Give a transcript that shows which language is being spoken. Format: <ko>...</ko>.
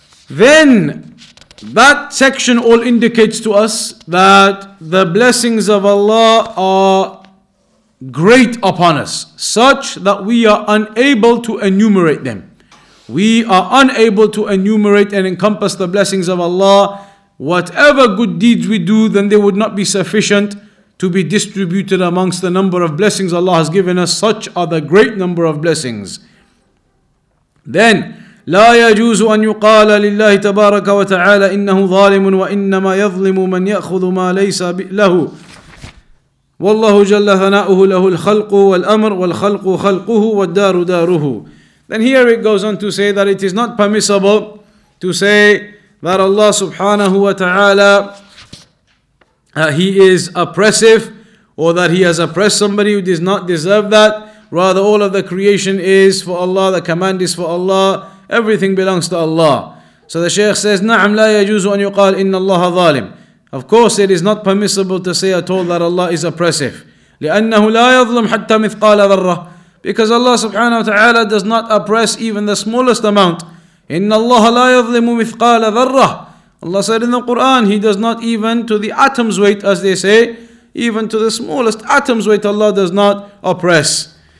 <en>Then that section all indicates to us that the blessings of Allah are great upon us, such that we are unable to enumerate them. We are unable to enumerate and encompass the blessings of Allah. Whatever good deeds we do, then they would not be sufficient to be distributed amongst the number of blessings Allah has given us. Such are the great number of blessings. Then,</en> <ar>لا يجوز أن يقال لله تبارك وتعالى إنه ظالم وإنما يظلم من يأخذ ما ليس له والله جل ثناؤه له الخلق والأمر والخلق خلقه والدار داره.</ar> <en>Then here it goes on to say that it is not permissible to say that Allah subhanahu wa ta'ala, he is oppressive, or that he has oppressed somebody who does not deserve that. Rather, all of the creation is for Allah, the command is for Allah, everything belongs to Allah. So the Shaykh says,</en> <ar>نعم لا يجوز أن يقال إن الله ظالم.</ar> <en>Of course, it is not permissible to say at all that Allah is oppressive.</en> <ar>لأنه لا يظلم حتى مثقال ذرة.</ar> <en>Because Allah subhanahu wa ta'ala does not oppress even the smallest amount.</en> <ar>إِنَّ اللَّهَ لَا يَظْلِمُ مِثْقَالَ ذَرَّةٍ.</ar> <en>Allah said in the Quran, he does not even to the atom's weight, as they say, even to the smallest atom's weight, Allah does not oppress.</en>